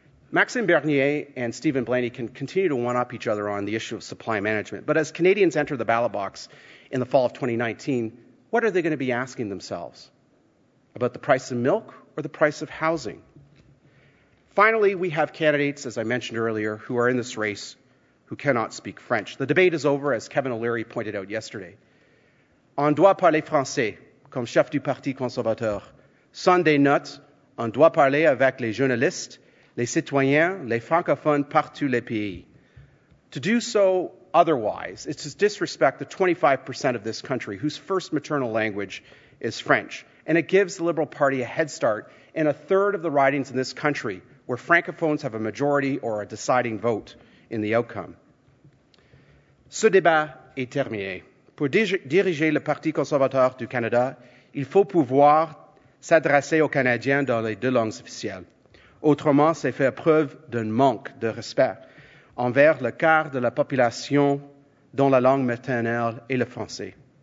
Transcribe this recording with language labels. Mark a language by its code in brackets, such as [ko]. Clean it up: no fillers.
[en] Maxime Bernier and Stephen Blaney can continue to one-up each other on the issue of supply management, but as Canadians enter the ballot box in the fall of 2019, what are they going to be asking themselves? About the price of milk or the price of housing? Finally, we have candidates, as I mentioned earlier, who are in this race who cannot speak French. The debate is over, as Kevin O'Leary pointed out yesterday. [fr] On doit parler français, comme chef du Parti conservateur. Sans des notes, on doit parler avec les journalistes, les citoyens, les francophones partout le pays. [en] To do so otherwise is to disrespect the 25% of this country whose first maternal language is French, and it gives the Liberal Party a head start in a third of the ridings in this country where francophones have a majority or a deciding vote in the outcome. [fr] Ce débat est terminé. Pour diriger le Parti conservateur du Canada, il faut pouvoir s'adresser aux Canadiens dans les deux langues officielles. Autrement, c'est faire preuve d'un manque de respect envers le quart de la population dont la langue maternelle est le français.